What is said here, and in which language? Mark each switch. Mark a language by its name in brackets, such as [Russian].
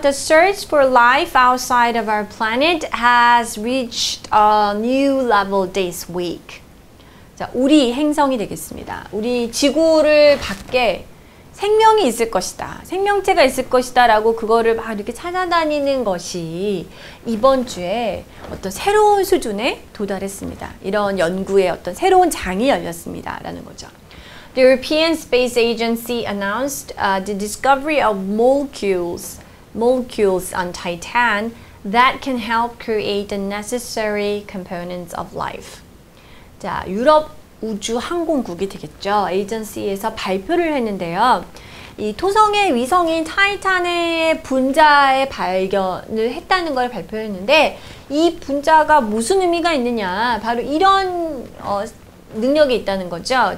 [English] The search for life outside of our planet has reached a new level this week. [Korean] 자, 우리 행성이 되겠습니다. 우리 지구를 밖에 생명이 있을 것이다. 생명체가 있을 것이다 라고 그거를 막 이렇게 찾아다니는 것이 이번 주에 어떤 새로운 수준에 도달했습니다. 이런 연구의 어떤 새로운 장이 열렸습니다. 라는 거죠. [English] The European Space Agency announced the discovery of molecules on Titan that can help create the necessary components of life. [Korean] 자, 유럽 우주항공국이 되겠죠. 에이전시에서 발표를 했는데요. 이 토성의 위성인 타이탄의 분자의 발견을 했다는 걸 발표했는데 이 분자가 무슨 의미가 있느냐. 바로 이런 능력이 있다는 거죠.